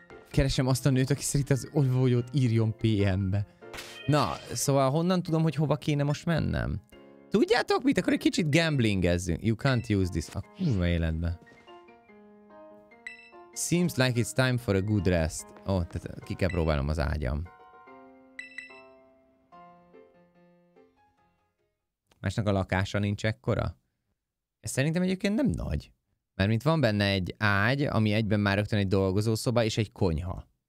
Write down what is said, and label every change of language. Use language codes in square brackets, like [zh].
[hu] Keresem azt a nőt, aki szerint az olvójót írjon PM-be. Na, szóval honnan tudom, hogy hova kéne most mennem? Tudjátok mit? Akkor egy kicsit gamblingezzünk. [en] You can't use this. [hu] A kurva életbe. [en] Seems like it's time for a good rest. [hu] Ó, tehát ki kell próbálnom az ágyam. Másnak a lakása nincs ekkora? Ez szerintem egyébként nem nagy. Mert mint van benne egy ágy, ami egyben már rögtön egy dolgozószoba és egy konyha.